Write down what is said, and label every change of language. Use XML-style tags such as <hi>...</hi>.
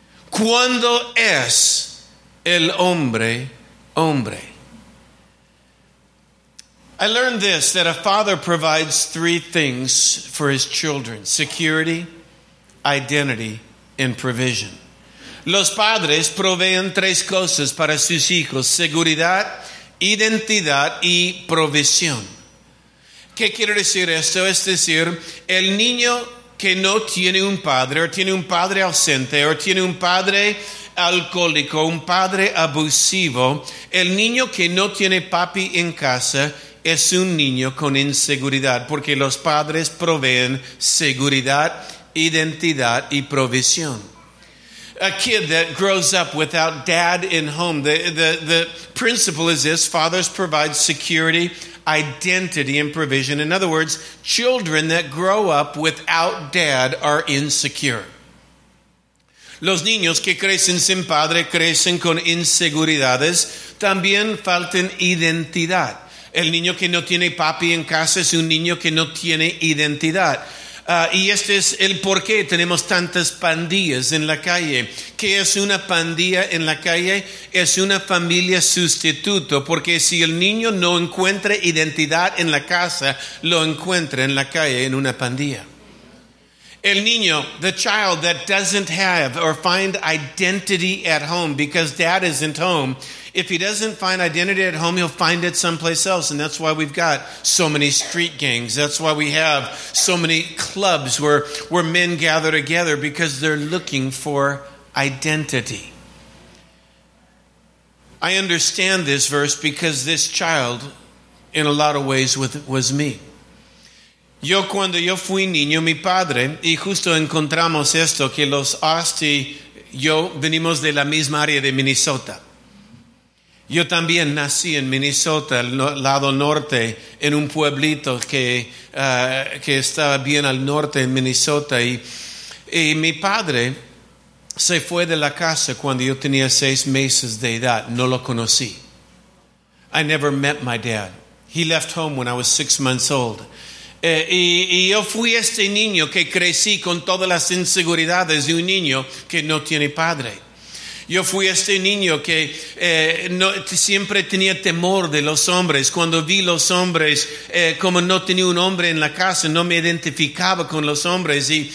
<es>¿Cuándo es el hombre hombre?</es> <en>I learned this, that a father provides three things for his children: security, identity, and provision.</en> <es>Los padres proveen tres cosas para sus hijos: seguridad, identidad y provisión. ¿Qué quiere decir esto? Es decir, el niño que no tiene un padre, o tiene un padre ausente, o tiene un padre alcohólico, un padre abusivo, el niño que no tiene papi en casa es un niño con inseguridad, porque los padres proveen seguridad, identidad y provisión.</es> <en>A kid that grows up without dad in home, the principle is this: fathers provide security, identity, and provision. In other words, children that grow up without dad are insecure.</en> <es>Los niños que crecen sin padre crecen con inseguridades. También faltan identidad. El niño que no tiene papi en casa es un niño que no tiene identidad. Y este es el por qué tenemos tantas pandillas en la calle. ¿Qué es una pandilla en la calle? Es una familia sustituto, porque si el niño no encuentra identidad en la casa, lo encuentra en la calle en una pandilla. El niño,</es> <en>the child that doesn't have or find identity at home because dad isn't home, if he doesn't find identity at home, he'll find it someplace else. And that's why we've got so many street gangs. That's why we have so many clubs where men gather together, because they're looking for identity. I understand this verse because this child, in a lot of ways, was me.</en> <es>Yo cuando yo fui niño, mi padre, y justo encontramos esto, que los Austin, yo venimos de la misma área de Minnesota. Yo también nací en Minnesota, al lado norte, en un pueblito que estaba bien al norte en Minnesota. Y mi padre se fue de la casa cuando yo tenía 6 meses de edad. No lo conocí.</es> <en>I never met my dad. He left home when I was 6 months old.</en> <es>Y yo fui este niño que crecí con todas las inseguridades de un niño que no tiene padre. Yo fui este niño que siempre tenía temor de los hombres. Cuando vi los hombres, como no tenía un hombre en la casa, no me identificaba con los hombres.</es>